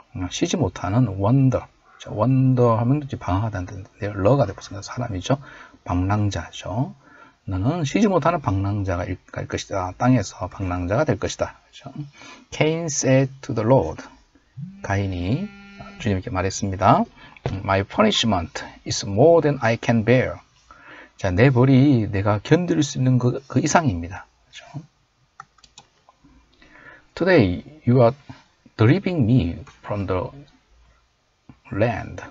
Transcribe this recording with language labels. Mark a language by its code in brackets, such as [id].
[ko] 쉬지 못하는 wonder. 자, wonder 하면 방황하다는 뜻인데, 러가 되고 있는 사람이죠. 방랑자죠. 너는 쉬지 못하는 방랑자가 일갈 것이다. 땅에서 방랑자가 될 것이다. 그렇죠? [en] Cain said to the Lord. [ko] 가인이 주님께 말했습니다. [en] My punishment is more than I can bear. [ko] 자, 내 벌이 내가 견딜 수 있는 그 이상입니다. 그렇죠? [en] Today you are driving me from the land.